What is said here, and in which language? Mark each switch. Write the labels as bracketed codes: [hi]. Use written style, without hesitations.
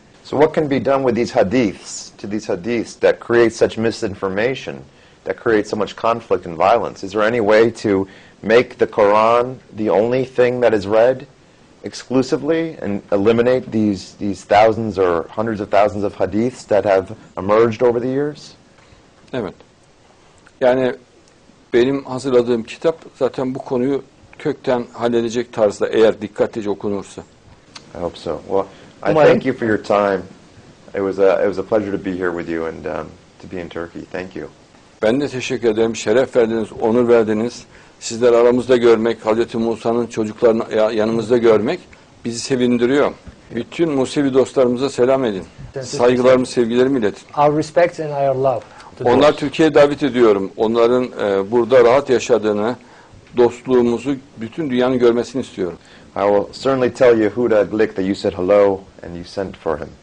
[en] So what can be done with these hadiths, to these hadiths that create such misinformation, that create so much conflict and violence? Is there any way to make the Quran the only thing that is read? Exclusively and eliminate these thousands or hundreds of thousands of hadiths that have emerged over the years? [tr] Evet. Yani benim hazırladığım kitap zaten bu konuyu kökten halledecek tarzda eğer dikkatlice okunursa. [en] I hope so. Well, I thank you for your time. It was a pleasure to be here with you and to be in Turkey. Thank you. [tr] Ben de teşekkür ederim. Şeref verdiniz, onur verdiniz. Sizleri aramızda görmek, Hazreti Musa'nın çocuklarını yanımızda görmek bizi sevindiriyor. Bütün Musevi dostlarımıza selam edin. Saygılarımı, sevgilerimi iletin. [en] Our respect and our love. [tr] Onlar Türkiye'ye davet ediyorum. Onların burada rahat yaşadığını, dostluğumuzu bütün dünyanın görmesini istiyorum. [en] I will certainly tell Yehuda Glick that you said hello and you sent for him.